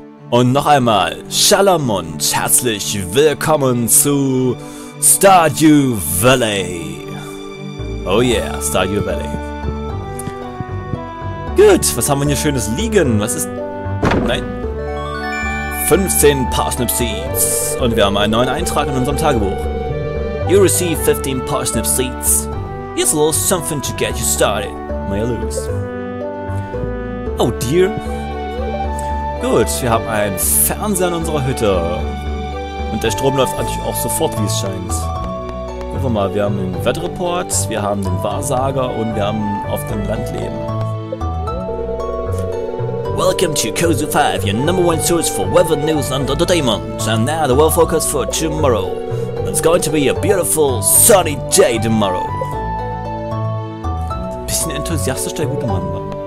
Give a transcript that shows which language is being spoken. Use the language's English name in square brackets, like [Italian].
[German] Und noch einmal, Shalom und herzlich willkommen zu Stardew Valley. [English] Oh yeah, Stardew Valley. [German] Gut, was haben wir hier schönes liegen? Was ist... Nein. [English] 15 Parsnip Seeds. [German] Und wir haben einen neuen Eintrag in unserem Tagebuch. [English] You receive 15 Parsnip Seeds. Here's a little something to get you started. May I lose? Oh dear. [German] Gut, wir haben einen Fernseher in unserer Hütte. Und der Strom läuft eigentlich auch sofort, wie es scheint. einfach mal. Wir haben den Wetterreport, wir haben den Wahrsager und wir haben auf dem Landleben. [English] Welcome to Cozy 5, your number one source for weather news and entertainment. And now the weather forecast for tomorrow. It's going to be a beautiful sunny day tomorrow. [German] Bisschen enthusiastisch der gute Mann.